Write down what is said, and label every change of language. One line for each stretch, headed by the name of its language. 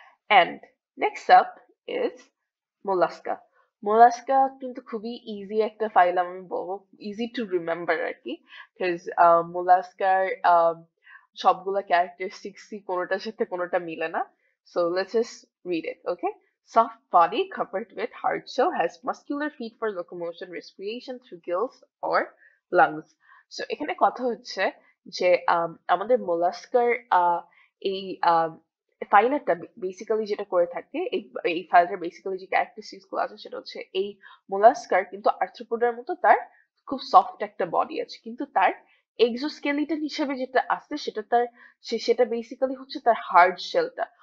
English: And next up is mollusca.
Bangla: Mollusca কিন্তু খুবই easy একটা ফাইলাম আমি বলবো,
English: easy to remember
Bangla: আর কি, বিকজ মোলাস্কার সবগুলো ক্যারেক্টারিস্টিক্সই কোনোটার সাথে কোনোটা মিলে না।
English: So let's just read it, okay? Soft body covered with hard shell, has muscular feet for locomotion, respiration through gills or lungs.
Bangla: So এখানে কথা হচ্ছে যে আমাদের মোলাস্কার এই ফাইলারটা বেসিক্যালি যেটা করে থাকে, এই ফাইলের বেসিক্যালি যে ক্যারেক্টারিস্টিক্স গুলো আছে সেটা হচ্ছে এই মোলাস্কার কিন্তু আর্থ্রোপোডার মতো তার খুব সফট একটা বডি আছে, কিন্তু তার এক্সোস্কেলিটন হিসেবে যেটা আছে সেটা তার সেটা বেসিক্যালি হচ্ছে তার হার্ড শেলটা।